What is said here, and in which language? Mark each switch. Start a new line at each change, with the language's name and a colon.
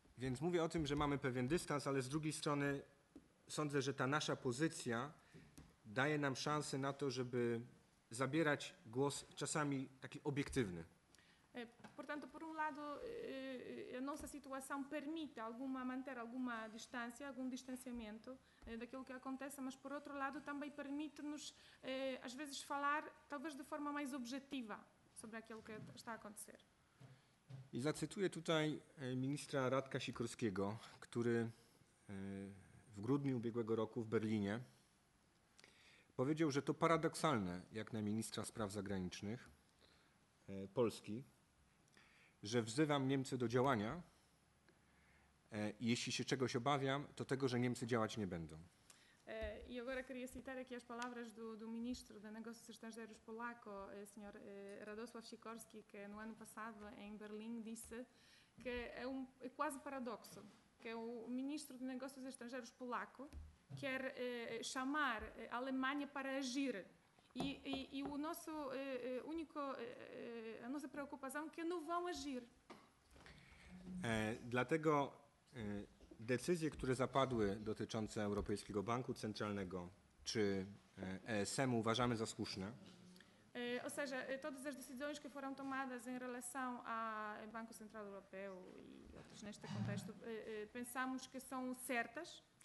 Polish: Więc mówię o tym, że mamy pewien dystans, ale z drugiej strony sądzę, że ta nasza pozycja daje nam szansę na to, żeby zabierać głos czasami taki obiektywny.
Portuguese: Portanto, por lado, a nossa situação permite alguma manter alguma distância, algum distanciamento daquilo que acontece, mas por outro lado também permite-nos às vezes falar talvez de forma mais objetiva sobre aquilo que está a acontecer.
Polish: I zacytuję tutaj ministra Radka Sikorskiego, który w grudniu ubiegłego roku w Berlinie powiedział, że to paradoksalne, jak na ministra spraw zagranicznych Polski, że wzywam Niemcy do działania i jeśli się czegoś obawiam, to tego, że Niemcy działać nie będą.
Portuguese: E agora queria citar aqui as palavras do ministro de Negócios Estrangeiros polaco, senhor Radosław Sikorski, que no ano passado em Berlim disse que é quase paradoxo que o ministro de Negócios Estrangeiros polaco quer chamar a Alemanha para agir. E o nosso único a nossa preocupação é que não vão agir.
Polish: Dlatego decyzje, które zapadły dotyczące Europejskiego Banku Centralnego czy ESM-u uważamy za słuszne.
Portuguese: Ou seja, todas as decisões que foram tomadas em relação ao Banco Central Europeu e outros neste contexto, pensamos que são certas.